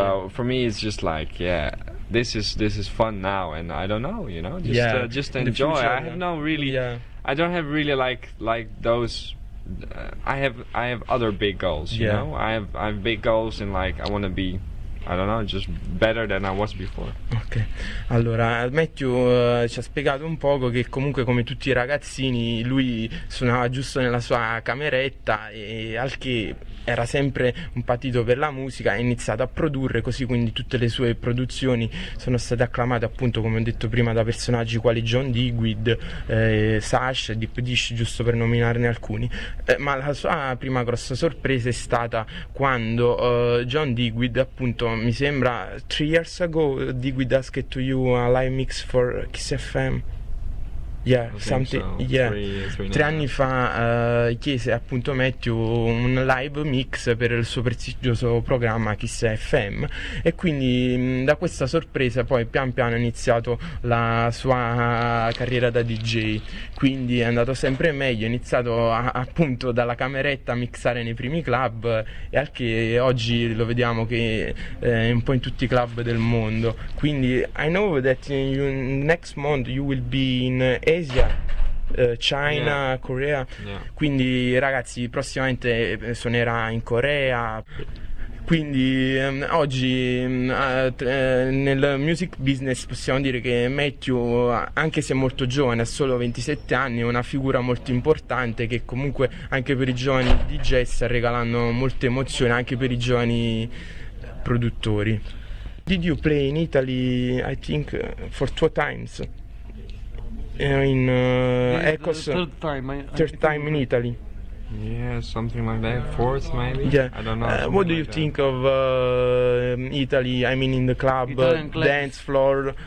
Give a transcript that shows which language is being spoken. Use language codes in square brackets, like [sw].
[en] For me, it's just like, this is fun now, and I don't know, you know, just enjoy. Future, I don't have really like those. I have other big goals, you know. I have big goals in, like, I want to be, I don't know, just better than I was before. [it] Ok, allora Matthew ci ha spiegato un poco che comunque, come tutti i ragazzini, lui suonava giusto nella sua cameretta, e al che era sempre un patito per la musica, ha iniziato a produrre, così quindi tutte le sue produzioni sono state acclamate, appunto, come ho detto prima, da personaggi quali John Digweed, Sash, Deep Dish, giusto per nominarne alcuni. Ma la sua prima grossa sorpresa è stata quando John Digweed, appunto, mi sembra [en] 3 years ago, Digweed asked to you a live mix for Kiss FM. Three [it] anni fa chiese appunto Matthew un live mix per il suo prestigioso programma Kiss FM, e quindi da questa sorpresa poi pian piano è iniziato la sua carriera da DJ. Quindi è andato sempre meglio, è iniziato appunto dalla cameretta a mixare nei primi club, e anche oggi lo vediamo che è un po' in tutti i club del mondo. Quindi [en] I know that next month you will be in Asia, China, Korea. Yeah. [it] Quindi ragazzi, prossimamente suonerà in Corea. Quindi oggi nel music business possiamo dire che Matthew, anche se molto giovane, ha solo 27 anni, è una figura molto importante che comunque anche per i giovani DJ sta regalando molte emozioni, anche per i giovani produttori. [en] Did you play in Italy, I think, for 2 times? Third time in Italy. Yeah, something like that. Fourth, maybe. Yeah. I don't know. What do you that. Think of Italy? I mean, in the club, dance floor.